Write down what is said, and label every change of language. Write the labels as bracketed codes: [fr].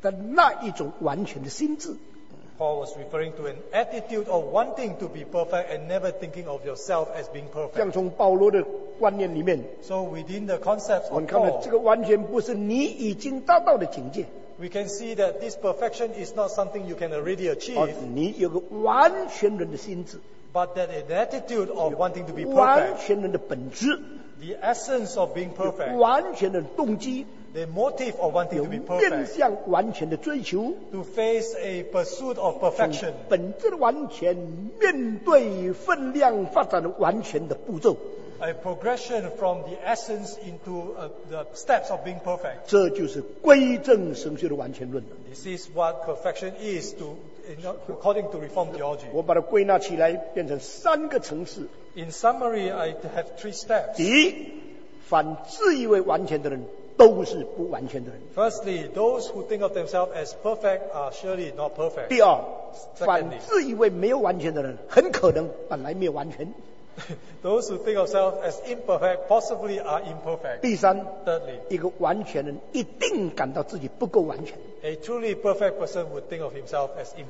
[zh] 保罗观念中间的完全，是愿意达到完全，但是从来不感到自己已经达到完全的那一种完全的心智。 [en] Paul was referring to an attitude of wanting to be perfect and never thinking of yourself as being perfect. [zh] 像从保罗的观念里面， [en] so within the concepts of Paul, [zh] 我们看到这个完全不是你已经达到的境界。 [en] We can see that this perfection is not something you can already achieve. [zh] 你有个完全人的心智， [en] but that an attitude of wanting to be perfect. [zh] 完全人的本质， [en] the essence of being perfect. [zh] 完全人的动机， [en] The motive of wanting to be perfect. [zh] 有面向完全的追求, [en] to face a pursuit of perfection. [zh] 从本质完全, 面对分量发展完全的步骤, [en] a progression from the essence into the steps of being perfect. [zh] 这就是归正神学的完全论. [en] This is what perfection is to, according to Reform theology. [zh] 我把它归纳起来变成三个层次. [en] In summary, I have three steps. [zh] 第一，凡自以为完全的人 都是不完全的人. [en] Firstly, those who think of themselves as perfect are surely not perfect. [zh] 第二, [en] Secondly, [zh] 反自以为没有完全的人, 很可能本来没有完全. [en] Those who think of themselves as imperfect possibly are imperfect. [zh] 第三, [en] Thirdly, [zh] 一个完全人一定感到自己不够完全. [en] A truly perfect person would think of himself as imperfect.